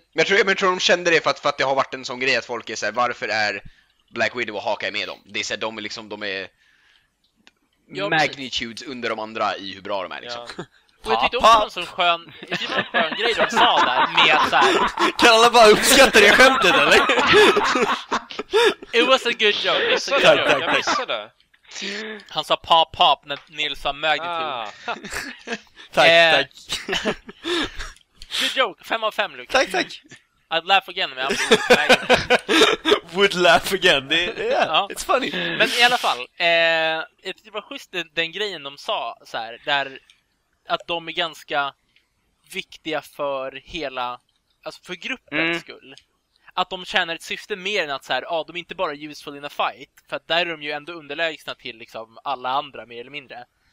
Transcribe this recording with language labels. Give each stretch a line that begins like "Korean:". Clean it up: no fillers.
Swedish: Men jag tror de kände det för att det har varit en sån grej att folk är såhär, varför är Black Widow och Hawkeye med dem? Det är såhär, de är liksom, de är magnitudes under de andra i hur bra de är liksom, ja. Och jag tyckte också det var en sån skön grej de sa där med såhär, kan alla bara uppskatta det skämtet eller?
English: It was a good joke, it's a good joke.
Swedish: Jag missade det. Han sa pop pop när Neil sa magnitude. Tack.
English: Good joke,
Swedish: 5 av 5,
English: Luke.
Swedish: Tack.
English: I'd laugh again,
Swedish: men
English: would laugh again,
Swedish: det är,
English: yeah, it's funny.
Swedish: Men i alla fall, det var schysst den grejen de sa, så här, där att de är ganska viktiga för hela, alltså för gruppens skull. Att de tjänar ett syfte mer än att så här, de är inte bara
English: useful in a fight,
Swedish: för att där är de ju ändå underlägsna till liksom alla andra, mer eller mindre.